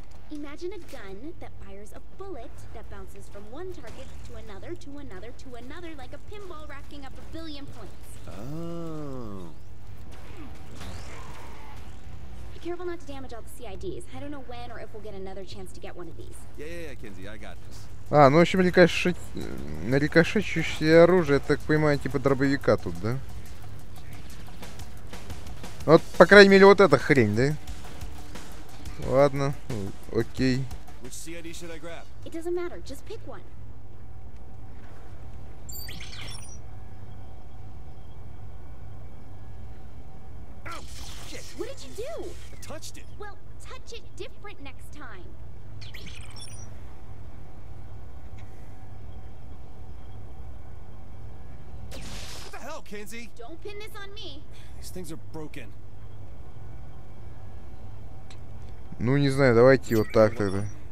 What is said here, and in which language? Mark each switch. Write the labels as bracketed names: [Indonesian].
[English] Imagine a gun that fires a bullet that bounces from one target to another to another to another like a pinball racking up a billion points. Oh. Be careful not to damage all the CIDs. I don't know when or if we'll get another chance to get one of these. Yeah, Kenzie, I got this. [Russian] А, ну, в общем, рикошечущее оружие, я так понимаю, типа дробовика тут, да? Вот, по крайней мере, вот эта хрень, да? Ладно, окей. [English] Which CID should I grab? It doesn't matter, just pick one. What did you do? I touched it. Well, touch it different next time. What the hell, Kenzie? Don't pin this on me. These things are broken. [Russian] Ну, не знаю, давайте вот так тогда.